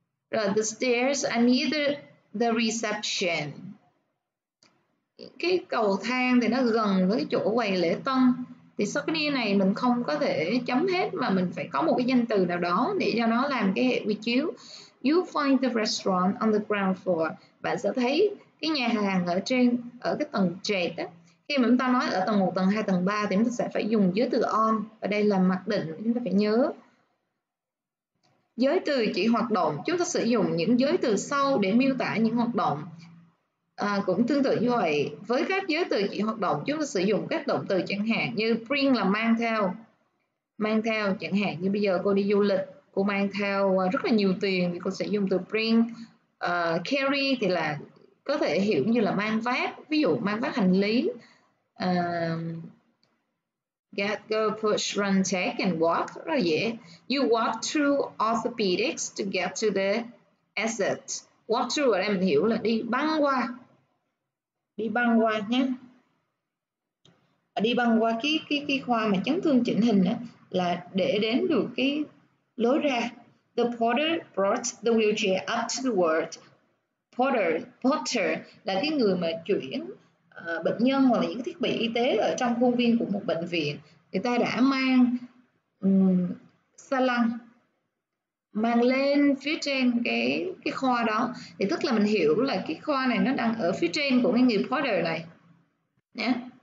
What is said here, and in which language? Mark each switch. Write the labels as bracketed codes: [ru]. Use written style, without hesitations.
[vi] Rồi [en] the stairs and either the reception, [vi] cái cầu thang thì nó gần với chỗ quầy lễ tân. Thì sau cái này mình không có thể chấm hết mà mình phải có một cái danh từ nào đó để cho nó làm cái hệ quy chiếu. [en] You find the restaurant on the ground floor. [vi] Bạn sẽ thấy cái nhà hàng ở trên, ở cái tầng trệt á. Khi mà chúng ta nói ở tầng 1, tầng 2, tầng 3 thì chúng ta sẽ phải dùng giới từ on. Ở đây là mặc định, chúng ta phải nhớ. Giới từ chỉ hoạt động, chúng ta sử dụng những giới từ sau để miêu tả những hoạt động. Cũng tương tự như vậy, với các giới từ chỉ hoạt động, chúng ta sử dụng các động từ chẳng hạn như bring là mang theo. Mang theo, chẳng hạn như bây giờ cô đi du lịch, cô mang theo rất là nhiều tiền, thì cô sẽ dùng từ bring. Carry thì là có thể hiểu như là mang vác, ví dụ mang vác hành lý. [en] Get, go, push, run, take and walk, [vi] rất là dễ. [en] You walk through orthopedics to get to the exit. Walk through [vi] ở đây mình hiểu là đi băng qua. Đi băng qua nhé. Đi băng qua cái khoa mà chấn thương chỉnh hình đó, là để đến được cái lối ra. [en] The porter brought the wheelchair up to the ward. [vi] Porter là cái người mà chuyển bệnh nhân hoặc là những thiết bị y tế ở trong khuôn viên của một bệnh viện. Người ta đã mang xa lăng mang lên phía trên cái khoa đó, thì tức là mình hiểu là cái khoa này nó đang ở phía trên của cái người porter này nhé.